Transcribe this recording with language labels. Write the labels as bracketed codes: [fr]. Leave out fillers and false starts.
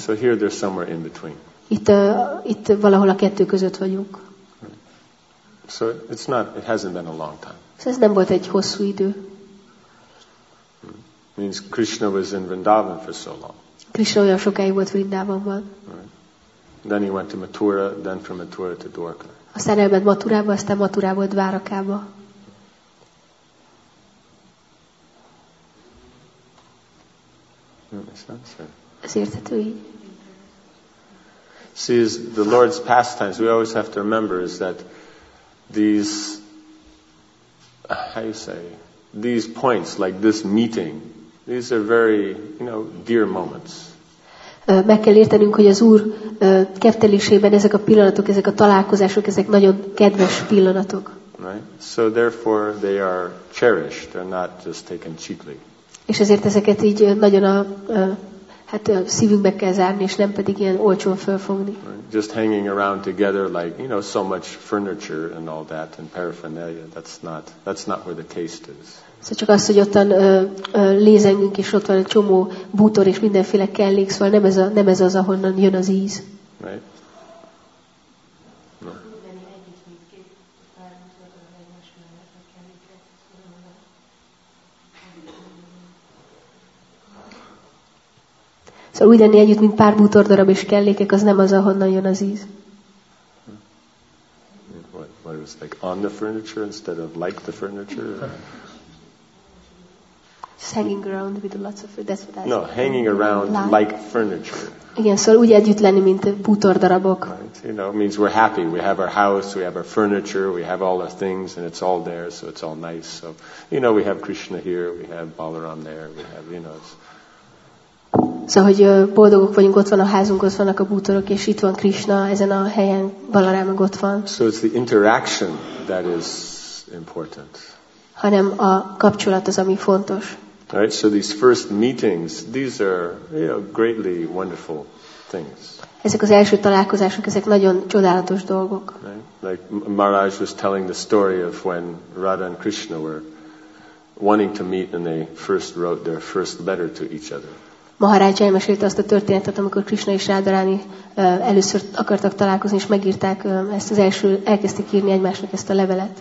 [en] So here they're somewhere in between. [hu] Itt valahol a kettő között vagyunk. [en] So it hasn't been a long time. [hu] So ez nem volt egy hosszú idő. [en] Means Krishna was in Vrindavan for so long. [hu] Krishna olyan sokáig volt Vrindavanban. [en] Then he went to Mathura, then from Mathura to Dvarka. [hu] Aztán elment Mathurába, aztán Mathurából Dvarakába. [en] See, is the Lord's pastimes, we always have to remember, is that these, how you say, these points, like this meeting, these are very, you know, dear moments. [hu] Meg kell értenünk, hogy az Úr keftelésében ezek a pillanatok, ezek a találkozások, ezek nagyon kedves pillanatok. [en] Right? So therefore they are cherished, they're not just taken cheaply. [hu] És ezért ezeket így nagyon a, hát szívünkbe kell zárni, és nem pedig ilyen olcsón fölfogni. [en] Just hanging around together like, you know, so much furniture and all that and paraphernalia, that's not where the taste is. [hu] Szóval csak azt, hogy ottan lézengünk, és ott van egy csomó bútor és mindenféle kellék, szóval nem ez az, ahonnan jön az íz. [en] Right. [hu] Szóval úgy lenni együtt, mint pár bútor darab és kellékek, az nem az, ahonnan jön az íz. [en] What was like on the furniture instead of like the furniture? Hanging around with lots of food. That's what I said. No, hanging around like furniture. [hu] Igen, szóval úgy együtt lenni, mint bútor darabok. [en] Right. You know, it means we're happy. We have our house, we have our furniture, we have all the things, and it's all there, so it's all nice. So, you know, we have Krishna here, we have Balaram there, we have, you know, it's... [hu] Szóval, hogy boldogok vagyunk, ott van a házunk, ott vannak a bútorok, és itt van Krishna, ezen a helyen Balaram ott van. [en] So it's the interaction that is important. [hu] Hanem a kapcsolat az, ami fontos. [en] Right, so these first meetings, these are, you know, greatly wonderful things. [hu] Ezek az első találkozások, ezek nagyon csodálatos dolgok. [en] Right? Like Maharaj was telling the story of when Radha and Krishna were wanting to meet and they first wrote their first letter to each other. [hu] Maharaj elmesélte azt a történetet, amikor Krishna és Radharani először akartak találkozni, és megírták ezt az első, elkezdték írni egymásnak ezt a levelet.